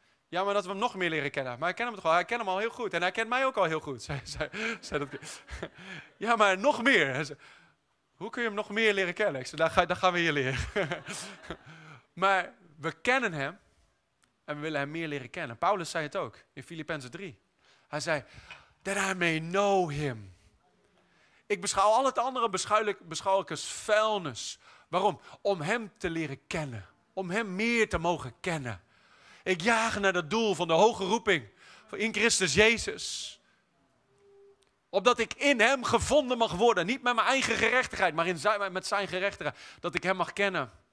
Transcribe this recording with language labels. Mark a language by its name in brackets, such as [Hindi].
[Dutch] Ja, maar dat we hem nog meer leren kennen. Maar ik ken hem toch al. Hij kent hem al heel goed. En hij kent mij ook al heel goed. Zei dat. Ja, maar nog meer. Hoe kun je hem nog meer leren kennen? Ik zei, dat gaan we je leren. Maar we kennen hem. En we willen hem meer leren kennen. Paulus zei het ook. In Filippenzen 3. Hij zei, [English] that I may know him. [Dutch] Ik beschouw al het andere beschouw ik als vuilnis. Waarom? Om hem te leren kennen. Om hem meer te mogen kennen. Ik jaag naar dat doel van de hoge roeping in Christus Jezus. Opdat ik in hem gevonden mag worden. Niet met mijn eigen gerechtigheid, maar met zijn gerechtigheid. Dat ik hem mag kennen.